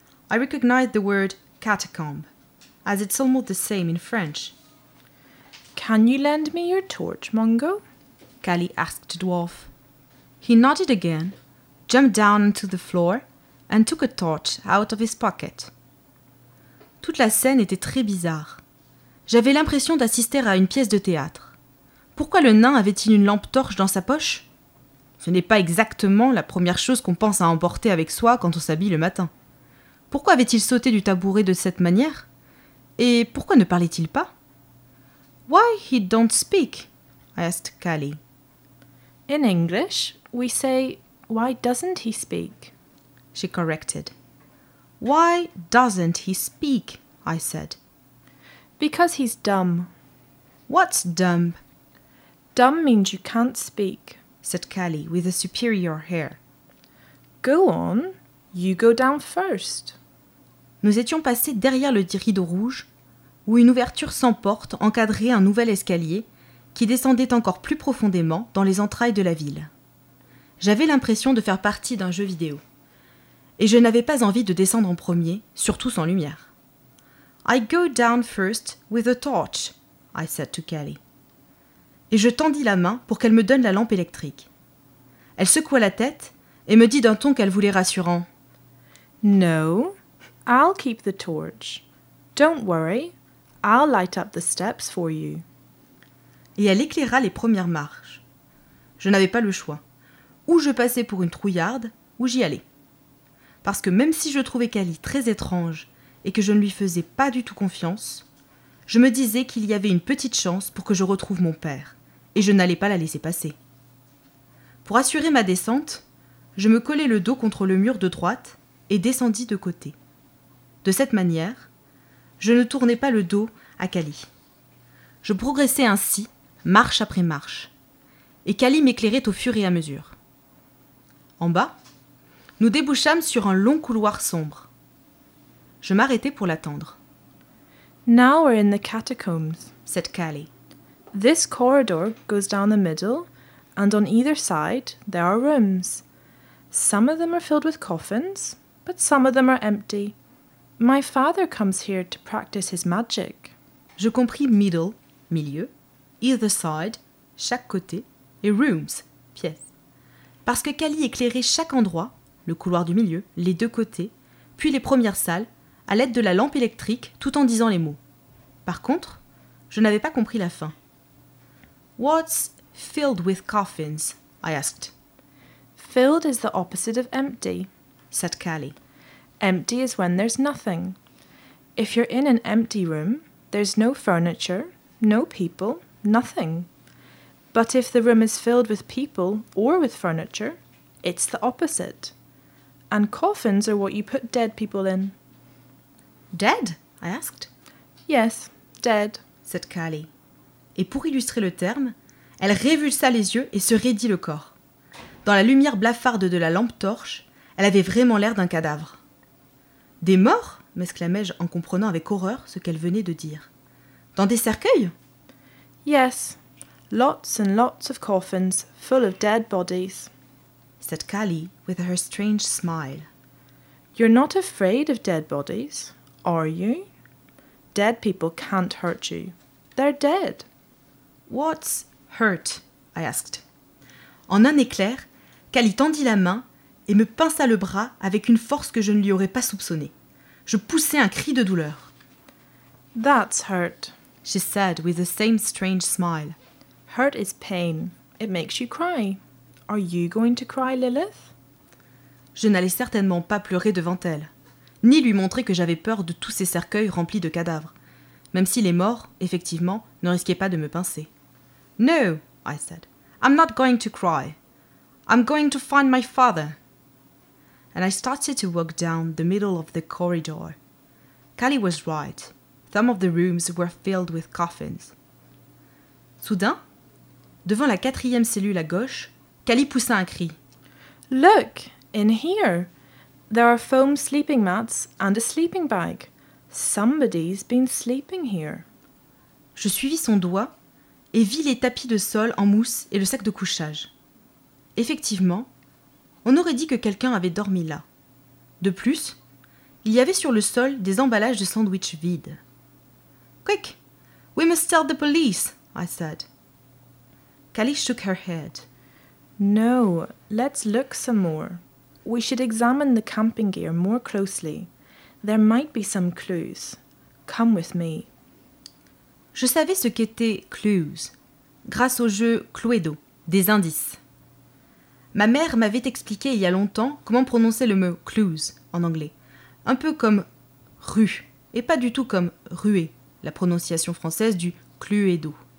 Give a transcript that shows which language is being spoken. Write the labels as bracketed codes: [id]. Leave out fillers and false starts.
[en] I recognized the word catacomb, as it's almost the same in French. Can you lend me your torch, Mongo? Carly asked the dwarf. He nodded again, jumped down onto the floor, and took a torch out of his pocket. [fr] Toute la scène était très bizarre. J'avais l'impression d'assister à une pièce de théâtre. Pourquoi le nain avait-il une lampe-torche dans sa poche? Ce n'est pas exactement la première chose qu'on pense à emporter avec soi quand on s'habille le matin. Pourquoi avait-il sauté du tabouret de cette manière? Et pourquoi ne parlait-il pas? [en] Why he don't speak? I asked Carly. In English, we say, why doesn't he speak? She corrected. Why doesn't he speak? I said. Because he's dumb. What's dumb? Dumb means you can't speak, said Carly with a superior air. Go on, you go down first. [fr] Nous étions passés derrière le rideau rouge, où une ouverture sans porte encadrait un nouvel escalier qui descendait encore plus profondément dans les entrailles de la ville. J'avais l'impression de faire partie d'un jeu vidéo. Et je n'avais pas envie de descendre en premier, surtout sans lumière. [en] I go down first with a torch, I said to Carly. [fr] Et je tendis la main pour qu'elle me donne la lampe électrique. Elle secoua la tête et me dit d'un ton qu'elle voulait rassurant. [en] No, I'll keep the torch. Don't worry, I'll light up the steps for you. [fr] Et elle éclaira les premières marches. Je n'avais pas le choix. Ou je passais pour une trouillarde, ou j'y allais. Parce que même si je trouvais Carly très étrange et que je ne lui faisais pas du tout confiance, je me disais qu'il y avait une petite chance pour que je retrouve mon père, et je n'allais pas la laisser passer. Pour assurer ma descente, je me collai le dos contre le mur de droite et descendis de côté. De cette manière, je ne tournais pas le dos à Carly. Je progressais ainsi, marche après marche, et Carly m'éclairait au fur et à mesure. En bas, nous débouchâmes sur un long couloir sombre. Je m'arrêtai pour l'attendre. [en] Now we're in the catacombs, said Carly. This corridor goes down the middle, and on either side there are rooms. Some of them are filled with coffins, but some of them are empty. My father comes here to practice his magic. [fr] Je compris middle, milieu, [en] either side, [fr] chaque côté, et rooms, pièces. Parce que Carly éclairait chaque endroit, le couloir du milieu, les deux côtés, puis les premières salles, à l'aide de la lampe électrique, tout en disant les mots. Par contre, je n'avais pas compris la fin. [en] What's filled with coffins? I asked. Filled is the opposite of empty, said Carly. Empty is when there's nothing. If you're in an empty room, there's no furniture, no people, nothing. But if the room is filled with people or with furniture, it's the opposite. And coffins are what you put dead people in. Dead? I asked. Yes, dead, said Carly. [fr] Et pour illustrer le terme, elle révulsa les yeux et se raidit le corps. Dans la lumière blafarde de la lampe torche, elle avait vraiment l'air d'un cadavre. Des morts? M'exclamai-je en comprenant avec horreur ce qu'elle venait de dire. Dans des cercueils? [en] Yes, lots and lots of coffins full of dead bodies, said Carly with her strange smile. You're not afraid of dead bodies, are you? Dead people can't hurt you. They're dead. What's hurt? I asked. [fr] En un éclair, Carly tendit la main et me pinça le bras avec une force que je ne lui aurais pas soupçonnée. Je poussai un cri de douleur. [en] That's hurt, she said with the same strange smile. Hurt is pain. It makes you cry. Are you going to cry, Lilith? [fr] Je n'allais certainement pas pleurer devant elle, ni lui montrer que j'avais peur de tous ces cercueils remplis de cadavres, même si les morts, effectivement, ne risquaient pas de me pincer. [en] No, I said. I'm not going to cry. I'm going to find my father. And I started to walk down the middle of the corridor. Carly was right. Some of the rooms were filled with coffins. [fr] Soudain, devant la quatrième cellule à gauche, Cali poussa un cri. [en] Look, in here, there are foam sleeping mats and a sleeping bag. Somebody's been sleeping here. [fr] Je suivis son doigt et vis les tapis de sol en mousse et le sac de couchage. Effectivement, on aurait dit que quelqu'un avait dormi là. De plus, il y avait sur le sol des emballages de sandwichs vides. Quick, we must tell the police, I said. Cali shook her head. No, let's look some more. We should examine the camping gear more closely. There might be some clues. Come with me. Je savais ce qu'étaient clues, grâce au jeu Cluedo, des indices. Ma mère m'avait expliqué il y a longtemps comment prononcer le mot clues en anglais. Un peu comme rue, et pas du tout comme ruée, la prononciation française du Cluedo.